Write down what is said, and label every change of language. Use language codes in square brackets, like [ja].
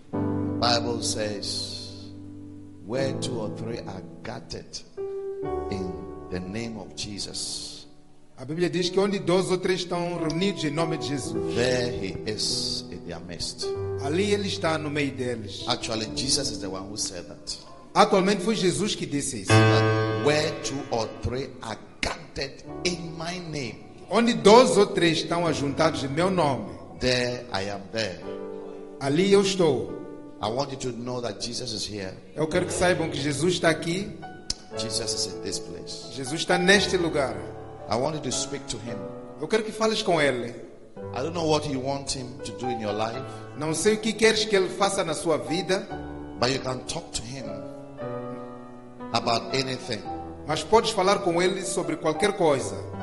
[en] Bible says, where two or three are gathered in the name of Jesus. [pt] A Bíblia diz que onde dois ou três estão reunidos em nome de Jesus, [en] there he is in their midst. [pt] Ali ele está no meio deles. [en] Actually, Jesus is the one who said that. [pt] Atualmente foi Jesus que disse isso. [en] That where two or three are gathered in my name. [pt] Onde dois ou três estão ajuntados em meu nome. [en] There I am there. [pt] Ali eu estou. [en] I want you to know that Jesus is here. [pt] Eu quero que saibam que Jesus está aqui. [en] Jesus is in this place. [pt] Jesus está neste lugar. [en] I wanted to speak to him. [pt] Eu quero que fales com ele. [en] I don't know what you want him to do in your life. [pt] Não sei o que queres que ele faça na sua vida. [en] But you can talk to him about anything. [pt] Mas podes falar com ele sobre qualquer coisa.